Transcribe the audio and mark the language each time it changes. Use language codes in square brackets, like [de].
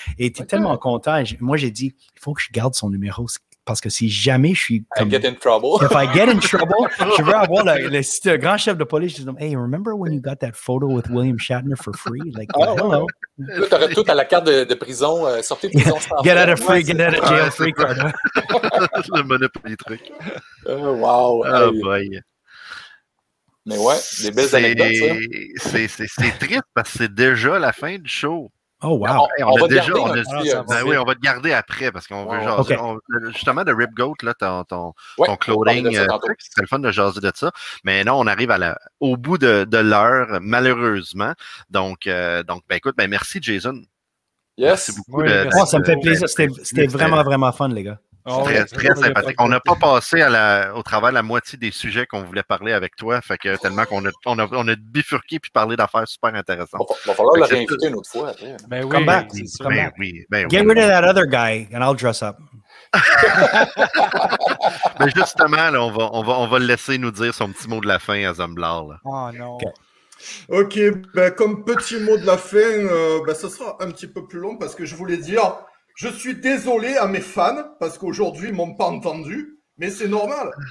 [fr] Et il était tellement content. Moi, j'ai dit, il faut que je garde son numéro. Parce que si jamais je suis... [en] If I get in trouble, [fr] je veux avoir le grand chef de police. Je dis, [en] hey, remember when you got that photo with William Shatner for free? Like, hello. [fr] Tu aurais tout à la carte de prison. Sortez de prison. [en] Get out of free, get out of jail free card. [fr] Le monopoly truc. Wow. Oh boy. Mais ouais, des belles anecdotes, ça. C'est triste parce que c'est déjà la fin du show. Oh wow! On va te garder après parce qu'on veut jaser. Okay. Justement, de Rip Goat, là, ton clothing, c'est le fun de jaser de ça. Mais non, on arrive au bout de l'heure, malheureusement. Donc, merci Jason. [en] Yes. [fr] Merci beaucoup. Ça me fait plaisir. C'était vraiment, vraiment fun, les gars. Très sympathique. On n'a pas passé au travers la moitié des sujets qu'on voulait parler avec toi, fait que tellement qu'on a bifurqué puis parlé d'affaires super intéressantes. Il va falloir le réinviter une autre fois. Ben oui, [en] come back. Get rid of that other guy and I'll dress up. [fr] Mais justement, là, on va le laisser nous dire son petit mot de la fin à Zamblar. Oh non. OK, comme petit mot de la fin, ce sera un petit peu plus long parce que je voulais dire... Je suis désolé à mes fans parce qu'aujourd'hui ils m'ont pas entendu, mais c'est normal.